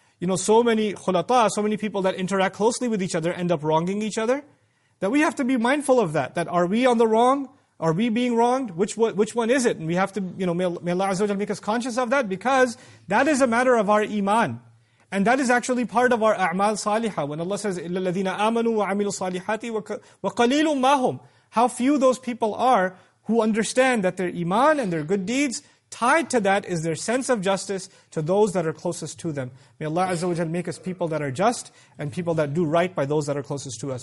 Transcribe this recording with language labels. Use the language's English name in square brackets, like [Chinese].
[English] You know, so many people that interact closely with each other end up wronging each other, that we have to be mindful of that. That are we on the wrong? Are we being wronged? Which one is it? And we have to, you know, may Allah Azza wa Jalla make us conscious of that, because that is a matter of our iman. And that is actually part of our a'mal salihah. When Allah says, [Arabic] إِلَّا الَّذِينَ آمَنُوا وَعَمِلُوا الصَّالِحَاتِ وَقَلِيلٌ مَا هُمْ. [English] How few those people are who understand that their iman and their good deeds, tied to that is their sense of justice to those that are closest to them. May Allah Azza wa Jalla make us people that are just and people that do right by those that are closest to us.